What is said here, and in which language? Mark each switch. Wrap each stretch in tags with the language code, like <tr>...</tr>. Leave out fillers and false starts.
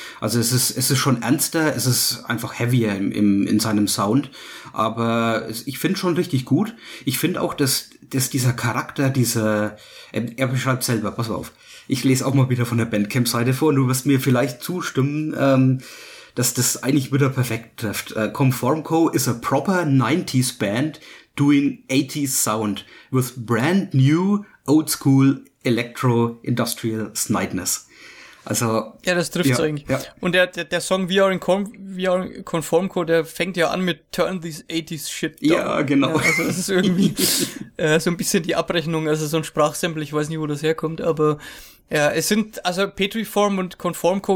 <de>Also es ist schon ernster, es ist einfach heavier in seinem Sound. Aber ich finde schon richtig gut. Ich finde auch, dass dieser Charakter, er beschreibt selber, pass auf, ich lese auch mal wieder von der Bandcamp-Seite vor und du wirst mir vielleicht zustimmen, dass das eigentlich wieder perfekt trifft. Conform Co.</de> <en>is a proper 90s band doing 80s sound with brand new old school Electro-Industrial Snideness.</en> <de>Also, ja, das trifft's ja, eigentlich. Ja. Und der Song We Are in Conform Co, der fängt ja an mit</de> <en>Turn This 80s Shit Down.</en> <de>Ja, genau. Ja, also das ist irgendwie so ein bisschen die Abrechnung, also so ein Sprachsample, ich weiß nicht, wo das herkommt, aber ja, es sind, also Petriform und Conform Co.</de>